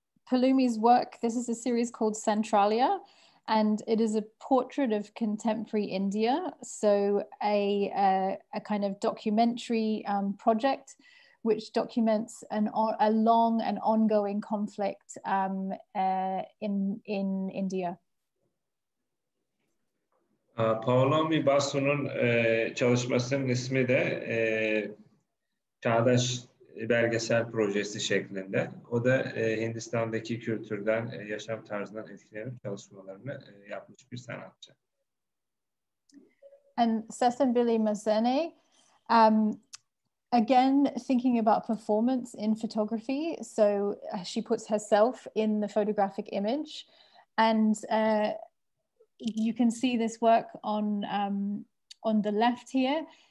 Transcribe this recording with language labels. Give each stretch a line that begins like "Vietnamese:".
English: Palumi's work, this is a series called Centralia, and it is a portrait of contemporary India. So a kind of documentary project, which documents a long and ongoing conflict in India.
Turkish: Palumi Basu'nun çalışmasının ismi de Çağdaş belgesel projesi şeklinde. O da Hindistan'daki kültürden, yaşam tarzından etkilenip çalışmalarını yapmış bir sanatçı.
English: And Seth and Billy Mazzene, again thinking about performance in photography, so she puts herself in the photographic image, and you can see this work on the left here.